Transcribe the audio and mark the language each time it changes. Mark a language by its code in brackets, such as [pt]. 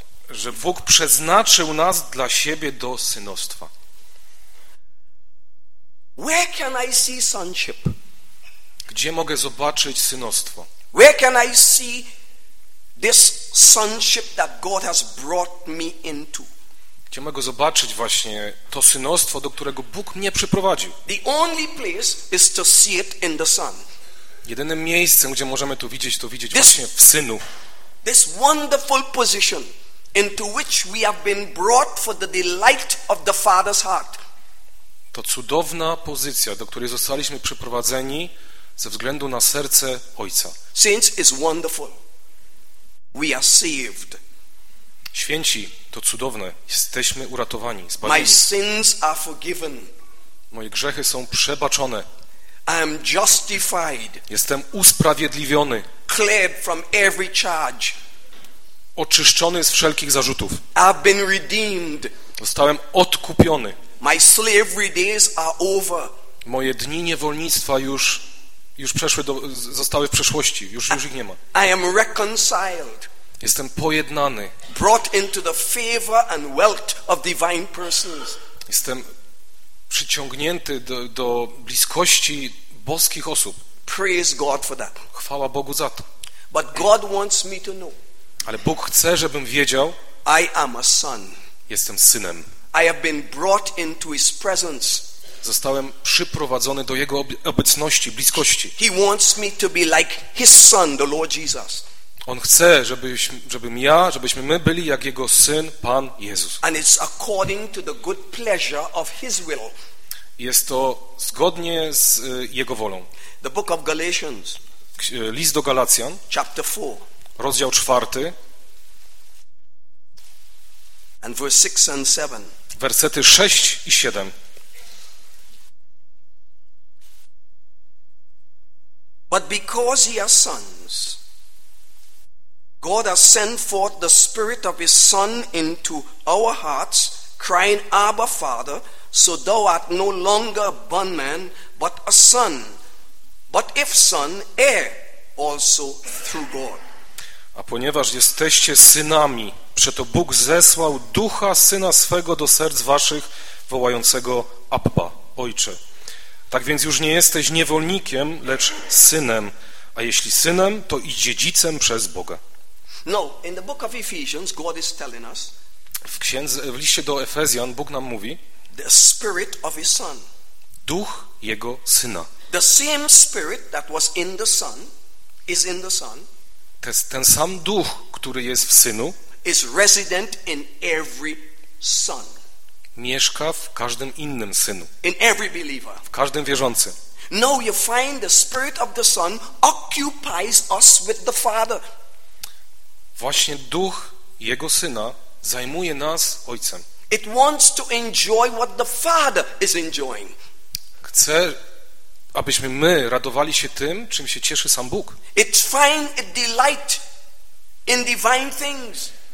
[pl] Że Bóg przeznaczył nas dla siebie do synostwa. [en] Where can I see sonship? [pl] Gdzie mogę zobaczyć synostwo? [en] Where can I see this sonship that God has brought me into? [pl] Gdzie mogę zobaczyć właśnie to synostwo, do którego Bóg mnie przyprowadził? [en] The only place is to see it in the Son. [pl] Jedynym miejscem, gdzie możemy to widzieć this, właśnie w Synu. [en] This wonderful position into which we have been brought for the delight of the Father's heart. [pl] To cudowna pozycja, do której zostaliśmy przyprowadzeni ze względu na serce Ojca. [en] Saints, it's wonderful. We are saved. [pl] Święci, to cudowne. Jesteśmy uratowani, zbawieni. [en] My sins are forgiven. [pl] Moje grzechy są przebaczone. [en] I am justified. [pl] Jestem usprawiedliwiony. [en] Cleared from every charge. [pl] Oczyszczony z wszelkich zarzutów. [en] I've been redeemed. [pl] Zostałem odkupiony. [en] My slavery days are over. [pl] Moje dni niewolnictwa już przeszły zostały w przeszłości. Już ich nie ma. [en] I am reconciled. [pl] Jestem pojednany. [en] Brought into the favor and wealth of divine persons. [pl] Jestem przyciągnięty do bliskości boskich osób. [en] Praise God for that. [pl] Chwała Bogu za to. [en] But God wants me to know. [pl] Ale Bóg chce, żebym wiedział. [en] I am a son. [pl] Jestem synem. [en] I have been brought into his presence. [pl] Zostałem przyprowadzony do jego obecności, bliskości. [en] He wants me to be like his son, the Lord Jesus. [pl] On chce, żebyśmy my byli jak jego syn, Pan Jezus. [en] And it's according to the good pleasure of his will. [pl] Jest to zgodnie z jego wolą. [en] The book of Galatians. [pl] List do Galacjan. [en] Chapter 4. [pl] Rozdział 4. [en] And verse 6 and 7. [pl] Wersety 6 i 7. [en] But because ye are sons, God has sent forth the spirit of his son into our hearts, crying, Abba, Father, so thou art no longer a bondman, but a son. But if son, heir also through God. [pl] A ponieważ jesteście synami, przeto Bóg zesłał ducha syna swego do serc waszych, wołającego Abba, Ojcze. Tak więc już nie jesteś niewolnikiem, lecz synem, a jeśli synem, to i dziedzicem przez Boga. [en] Now, in the book of Ephesians, God is telling us, [pl] w liście do Efezjan Bóg nam mówi, [en] the spirit of his son. [pl] Duch Jego Syna. [en] The same spirit that was in the son is in the son. [pl] Ten sam duch, który jest w synu, [en] is resident in every son. [pl] Mieszka w każdym innym synu. [en] In every believer. [pl] W każdym wierzącym. [en] Now you find the spirit of the son occupies us with the father. [pl] Właśnie duch jego syna zajmuje nas ojcem. [en] It wants to enjoy what the father is enjoying. [pl] Chce, abyśmy my radowali się tym, czym się cieszy sam Bóg. [en] It finds a delight in divine things.